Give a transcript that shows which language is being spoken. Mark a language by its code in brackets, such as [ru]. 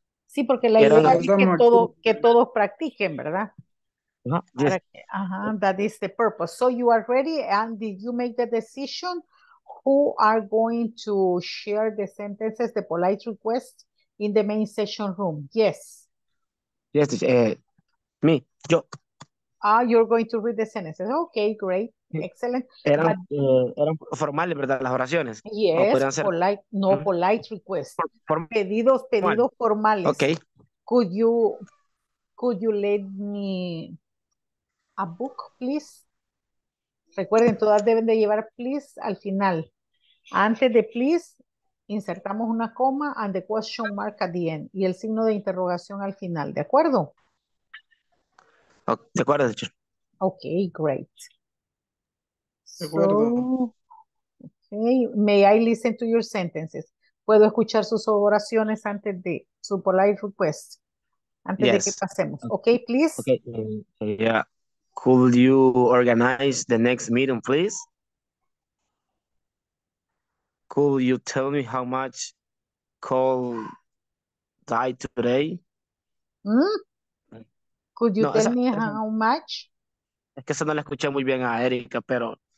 [es] Sí, porque la idea es que todos practiquen, ¿verdad? Ajá, [en] yes. That is the purpose. So you are ready, and did you make the decision? Who are going to share the sentences, the polite request in the main session room? Yes. Yes, me, yo. Ah, you're going to read the sentences. Okay, great. Excellent. [es] Eran formales, ¿verdad? Las oraciones. [en] Yes, polite request. [es] Pedidos formales. [en] Okay. Could you lend me a book, please? [es] Recuerden, todas deben de llevar please al final. Antes de please, insertamos una coma [en] and the question mark at the end [es] y el signo de interrogación al final, ¿de acuerdo? De acuerdo, teacher. [en] Ok, great. [es] De acuerdo. [en] So, okay, may I listen to your sentences? [es] ¿Puedo escuchar sus oraciones antes de su polite request? Antes [en] yes. [es] De que pasemos. [en] Okay, please. Okay, yeah. Could you organize the next meeting, please? Could you tell me how much coal died today? Mm? Could you no, tell esa, me how much? [es] Es que esa no la escuché muy bien a Erika, pero